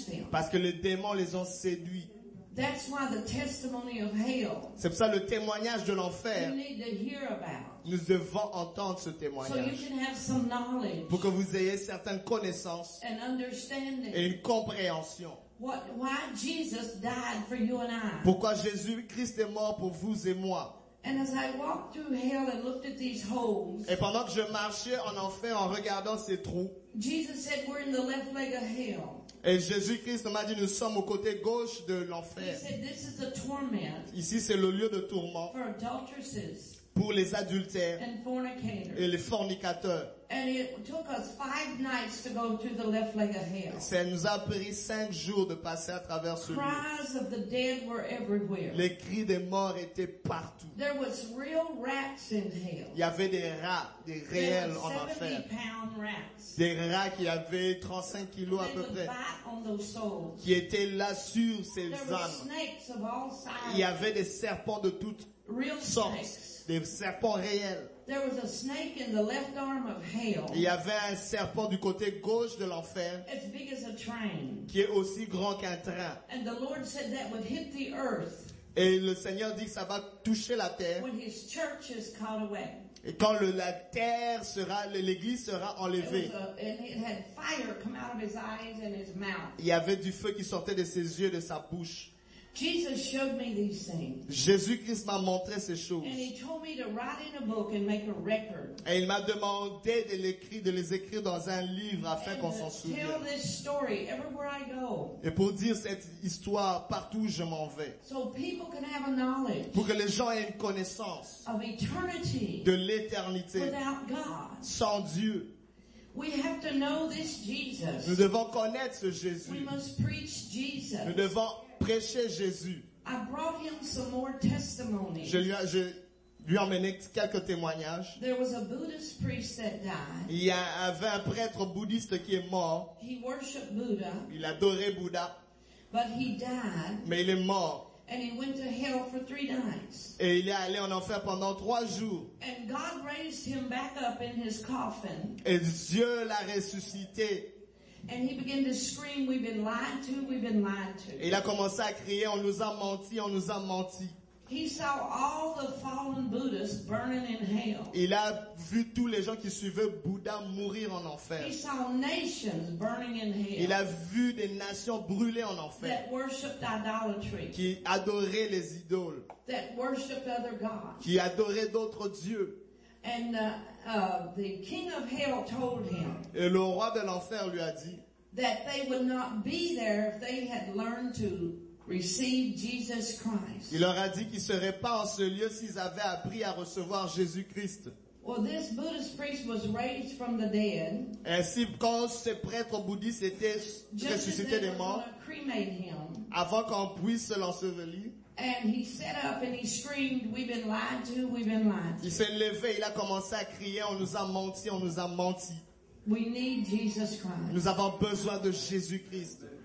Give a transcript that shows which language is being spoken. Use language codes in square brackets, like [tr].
[fr] Parce que les démons les ont séduits. [en] That's why the testimony of hell. [fr] C'est pour ça le témoignage de l'enfer. [en] You need to hear about. [fr] Nous devons entendre ce témoignage. [en] So you can have some knowledge. [fr] Pour que vous ayez certaines connaissances. [en] And understanding. [fr] Et une compréhension. [en] What, why Jesus died for you and I. [fr] Pourquoi Jésus-Christ est mort pour vous et moi. [en] And as I walked through hell and looked at these holes. [fr] Et pendant que je marchais en enfer en regardant ces trous. [en] Jesus said we're in the left leg of hell. [fr] Et Jésus-Christ m'a dit, nous sommes au côté gauche de l'enfer. [en] He said, this is a torment. [fr] Ici, c'est le lieu de tourment. [en] For adulteresses. [fr] Pour les adultères. [en] And fornicators. [fr] Et les fornicateurs. [en] And it took us 5 nights to go through the left leg of hell. [fr] Ça nous a pris 5 jours de passer à travers ce lieu. [en] Cries of the dead were everywhere. [fr] Les cris des morts étaient partout. [en] There was real rats in hell. [fr] Il y avait des rats, des réels en enfer. [en] 70-pound rats. [fr] Des rats qui avaient 35 kilos à peu près. [en] They would bite on those souls. [fr] Qui étaient là sur ces âmes. [en] There were snakes of all sizes. [fr] Il y avait des serpents de toutes [en] real [fr] sortes. [en] Snakes. [fr] Des serpents réels. [en] There was a snake in the left arm of hell. [fr] Il y avait un serpent du côté gauche de l'enfer. [en] As big as a train. [fr] Qui est aussi grand qu'un train. [en] And the Lord said that would hit the earth. [fr] Et le Seigneur dit que ça va toucher la terre. [en] When his church is caught away. [fr] Et quand la terre sera, l'église sera enlevée. [en] And it had fire come out of his eyes and his mouth. [fr] Il y avait du feu qui sortait de ses yeux et de sa bouche. [en] Jesus showed me these things. [fr] Jésus-Christ m'a montré ces choses. [en] And he told me to write in a book and make a record. [fr] Et il m'a demandé de les écrire dans un livre afin [en] and [fr] qu'on s'en souvienne. [en] Tell this story everywhere I go. [fr] Et pour dire cette histoire partout où je m'en vais. [en] So people can have a knowledge. [fr] Pour que les gens aient une connaissance. [en] Of eternity. [fr] De l'éternité. [en] Without God. [fr] Sans Dieu. [en] We have to know this Jesus. [fr] Nous devons connaître ce Jésus. [en] We must preach Jesus. [fr] Nous devons prêcher Jésus. [en] I brought him some more testimonies. [fr] Je lui ai emmené quelques témoignages. [en] There was a Buddhist priest that died. [fr] Il y avait un prêtre bouddhiste qui est mort. [en] He worshiped Buddha. [fr] Il adorait Bouddha. [en] But he died. [fr] Mais il est mort. [en] And he went to hell for 3 nights. [fr] Et il est allé en enfer pendant 3 jours. [en] And God raised him back up in his coffin. [fr] Et Dieu l'a ressuscité. [en] And he began to scream, we've been lied to, we've been lied to. [fr] Et il a commencé à crier, on nous a menti, on nous a menti. [en] He saw all the fallen Buddhists burning in hell. [fr] Il a vu tous les gens qui suivaient Bouddha mourir en enfer. [en] He saw nations burning in hell. [fr] Il a vu des nations brûler en enfer. [en] That worshipped idolatry. [fr] Qui adoraient les idoles. [en] That worshipped other gods. [fr] Qui adoraient d'autres dieux. [en] And the king of hell told him. [fr] Et le roi de l'enfer lui a dit. [en] That they would not be there if they had learned to receive Jesus Christ. [fr] Il leur a dit qu'ils seraient pas en ce lieu s'ils avaient appris à recevoir Jésus Christ. [en] Well, this Buddhist priest was raised from the dead. [fr] Ainsi, quand ce prêtre bouddhiste était ressuscité des morts. [en] Just as they were gonna cremate him. [fr] Avant qu'on puisse l'ensevelir. [en] And he sat up and he screamed, we've been lied to, we've been lied to. [fr] Il s'est levé, il a commencé à crier, on nous a menti, on nous a menti. [en] We need Jesus Christ. [fr] Nous avons besoin de Jésus Christ.